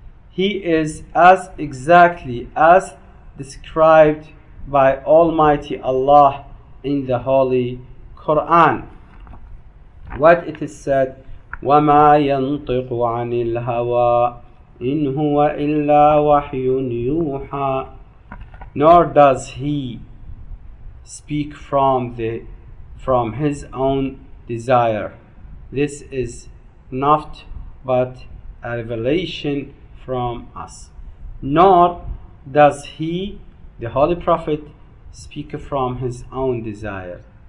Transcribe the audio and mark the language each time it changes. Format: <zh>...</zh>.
<en>He is as exactly as described by Almighty Allah in the Holy Quran. What it is said,</en> <ar>وَمَا يَنْطِقُ عَنِ الْهَوَىٰ إِنْ هُوَ إِلَّا وَحْيٌ يُوحَىٰ.</ar> <en>Nor does he speak from his own desire. This is not but a revelation from us. Nor does he, the Holy Prophet, speak from his own desire.</en>